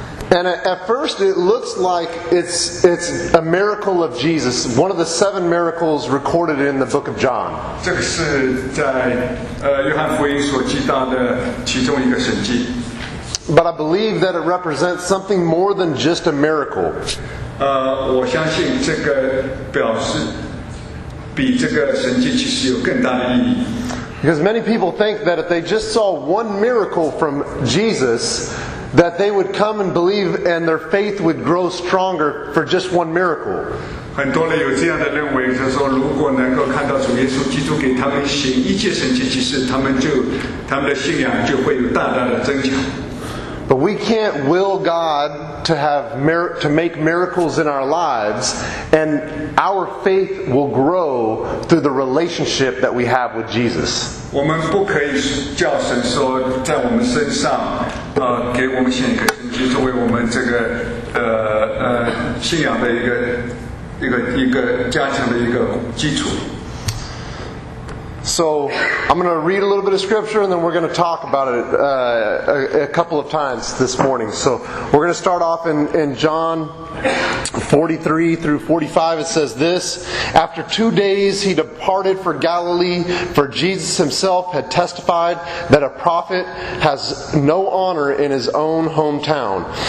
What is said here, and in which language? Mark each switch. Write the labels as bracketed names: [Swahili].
[English] And at first, it looks like it's a miracle of Jesus, one of the seven miracles recorded in the book of John. [Chinese] 这个是在约翰福音所记载的其中一个神迹。 [English] But I believe that it represents something more than just a miracle. [Chinese] 我相信这个表示比这个神迹其实有更大的意义。 [English] Because many people think that if they just saw one miracle from Jesus, that they would come and believe and their faith would grow stronger for just one miracle. [Chinese] 很多人有这样的认为，就说如果能够看到主耶稣基督给他们行一切神迹，其实他们的信仰就会有大大的增强。 [English] But we can't will God to make miracles in our lives, and our faith will grow through the relationship that we have with Jesus. [Chinese] 我们不可以叫神说在我们身上，给我们行一个神迹，作为我们这个信仰的一个加强的一个基础。 [English] So I'm going to read a little bit of scripture and then we're going to talk about it a couple of times this morning. So we're going to start off in John 43-45. It says this: After 2 days he departed for Galilee, for Jesus himself had testified that a prophet has no honor in his own hometown.